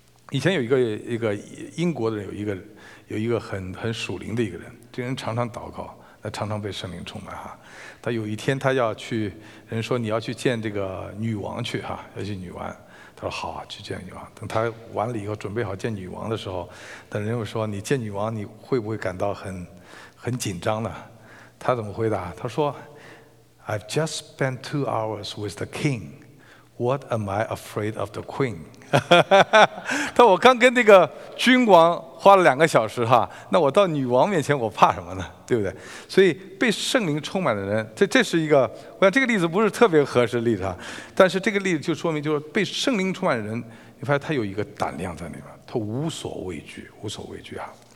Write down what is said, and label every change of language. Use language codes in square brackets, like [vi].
[zh] 以前有一个英国的人，有一个很属灵的一个人，这个人常常祷告，他常常被圣灵充满哈。他有一天他要去，人说你要去见这个女王去哈，要去女王。他说好，去见女王。等他完了以后，准备好见女王的时候，但人又说你见女王你会不会感到很紧张呢？他怎么回答？ [en] 他说 I've just spent 2 hours with the king. What am I afraid of the queen? [zh] 他说我刚跟那个君王花了2个小时哈，那我到女王面前我怕什么呢？对不对？所以被圣灵充满的人，这是一个，我想这个例子不是特别合适的例子哈，但是这个例子就说明，就是被圣灵充满的人，你发现他有一个胆量在那边，他无所畏惧，无所畏惧啊。